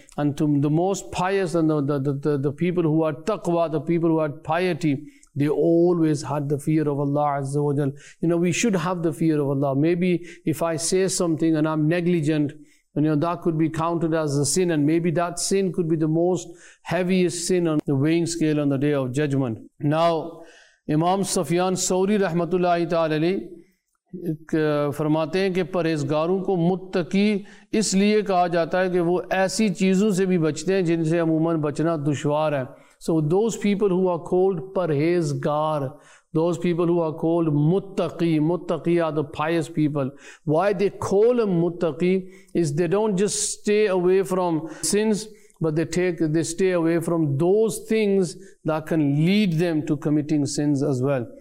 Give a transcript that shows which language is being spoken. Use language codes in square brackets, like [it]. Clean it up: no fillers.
[en] And to the most pious and the people who are taqwa, the people who are piety, they always had the fear of Allah Azza wa Jal. We should have the fear of Allah. Maybe if I say something and I'm negligent, that could be counted as a sin, and maybe that sin could be the most heaviest sin on the weighing scale on the Day of Judgment. Now, Imam Sufyan Thawri rahmatullahi ta'ala alayhi [ur] فرماتے ہیں کہ پرہیزگاروں کو متقی اس لیے کہا جاتا ہے کہ وہ ایسی چیزوں سے بھی بچتے ہیں جن سے عموماً بچنا دشوار ہے. [en] So those people who are called پرہیزگار, those people who are called متقی, متقی are the pious people. Why they call them متقی is they don't just stay away from sins, but they stay away from those things that can lead them to committing sins as well.